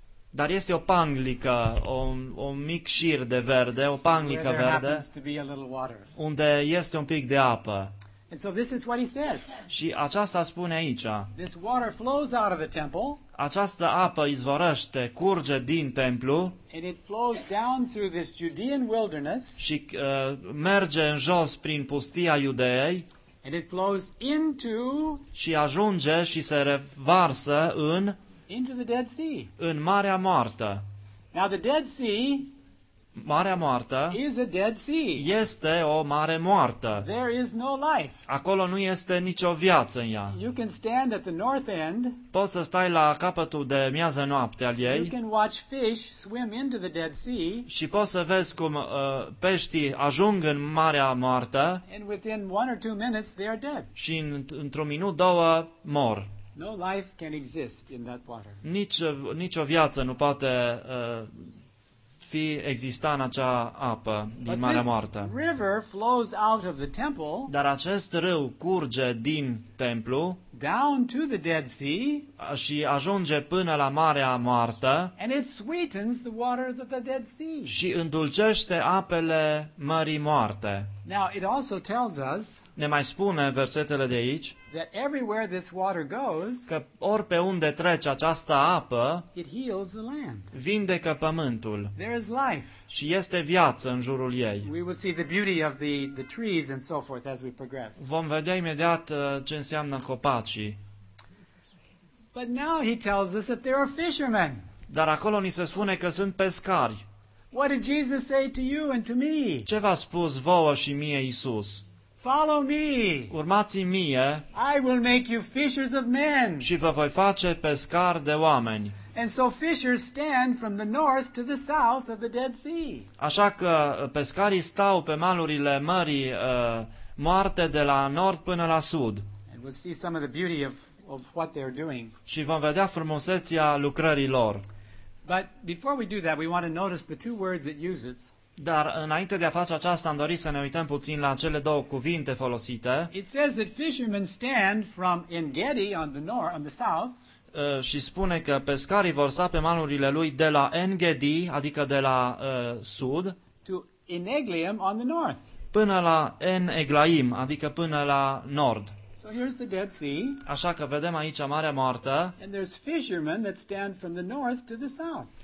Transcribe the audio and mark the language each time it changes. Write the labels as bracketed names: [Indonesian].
[Romanian] Dar este o panglică, o mic șir de verde, o panglică verde, unde este un pic de apă. [English] And so this is what he said. [Romanian] Și aceasta spune aici. [English] This water flows out of the temple. [Romanian] Această apă izvorăște, curge din templu. [English] And it flows down through this Judean wilderness. [Romanian] Și merge în jos prin pustia Iudeei. [English] And it flows into. [Romanian] Și ajunge și se revarsă în. [English] Into the Dead Sea. [Romanian] În Marea Moartă. [English] Now the Dead Sea. [Romanian] Marea Moartă. [English] Is a Dead Sea. [Romanian] Este o mare moartă. [English] There is no life. [Romanian] Acolo nu este nicio viață în ea. [English] You can stand at the north end. [Romanian] Poți să stai la capătul de miază noapte al ei. [English] You can watch fish swim into the Dead Sea. [Romanian] Și poți să vezi cum peștii ajung în Marea Moartă. [English] And within one or two minutes they are dead. [Romanian] Și într-un minut două mor. [English] No life can exist in that water. [Romanian] Nicio viață nu poate fi exista în acea apă din Marea Moartă. [English] But this river flows out of the temple. [Romanian] Dar acest râu curge din templu. [English] Down to the Dead Sea. [Romanian] Și ajunge până la Marea Moartă. [English] And it sweetens the waters of the Dead Sea. [Romanian] Și îndulcește apele Mării Moarte. [English] Now it also tells us. [Romanian] Ne mai spune versetele de aici. [English] That everywhere this water goes, [Romanian] că ori pe unde trece această apă, [English] it heals the land. [Romanian] Vindecă pământul. [English] There is life. [Romanian] Și este viață în jurul ei. [English] We will see the beauty of the trees and so forth as we progress. [Romanian] Vom vedea imediat ce înseamnă copacii. [English] But now he tells us that there are fishermen. [Romanian] Dar acolo ni se spune că sunt pescari. [English] What did Jesus say to you and to me? [Romanian] Ce v-a spus vouă și mie Iisus? [English] Follow me. [Romanian] Urmați-mi mie. [English] I will make you fishers of men. [Romanian] Și vă voi face pescari de oameni. [English] And so fishers stand from the north to the south of the Dead Sea. [Romanian] Așa că pescarii stau pe malurile Mării Moarte de la nord până la sud. [English] And we'll see some of the beauty of what they're doing. [Romanian] Și vom vedea frumusețea lucrării lor. [English] But before we do that, we want to notice the two words it uses. [Romanian] Dar înainte de a face aceasta, am dorit să ne uităm puțin la cele două cuvinte folosite. [English] It says that fishermen stand from En Gedi on the north, on the south. [Romanian] Și spune că pescarii vor sta pe malurile lui de la En Gedi, adică de la sud, [English] to En Eglaim on the north. [Romanian] Până la En Eglaim, adică până la nord. [English] So here's the Dead Sea. [Romanian] Așa că vedem aici Marea Moartă. [English] And there's fishermen that stand from the north to the south.